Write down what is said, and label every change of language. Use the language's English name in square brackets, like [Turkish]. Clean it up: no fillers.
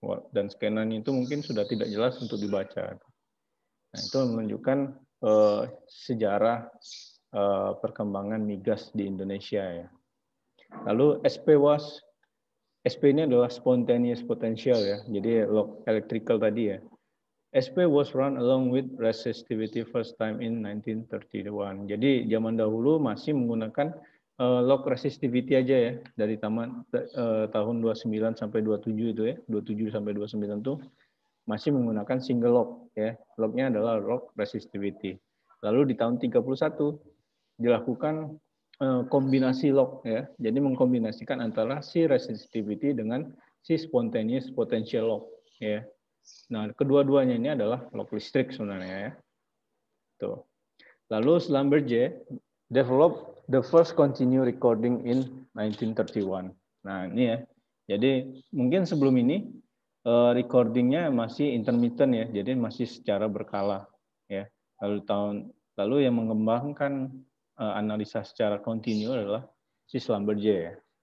[Indonesian] Dan scanan itu mungkin sudah tidak jelas untuk dibaca. Nah, itu menunjukkan sejarah perkembangan migas di Indonesia ya. Lalu SP ini adalah spontaneous potential ya. Jadi log electrical tadi ya. [English] SP was run along with resistivity first time in 1931. [Indonesian] Jadi zaman dahulu masih menggunakan log resistivity aja ya dari tahun 29 sampai 27 itu ya. 27 sampai 29 tuh masih menggunakan single log ya. Lognya adalah log resistivity. Lalu di tahun 31 dilakukan kombinasi log ya. Jadi mengkombinasikan antara si resistivity dengan si spontaneous potential log ya. Nah, kedua-duanya ini adalah log listrik sebenarnya ya. Tuh. Lalu [English] Schlumberger develop the first continue recording in 1931. [Indonesian] Nah, ini ya. Jadi mungkin sebelum ini recording-nya masih intermittent ya. Jadi masih secara berkala ya. Lalu yang mengembangkan analisa secara continue adalah si Schlumberger ya.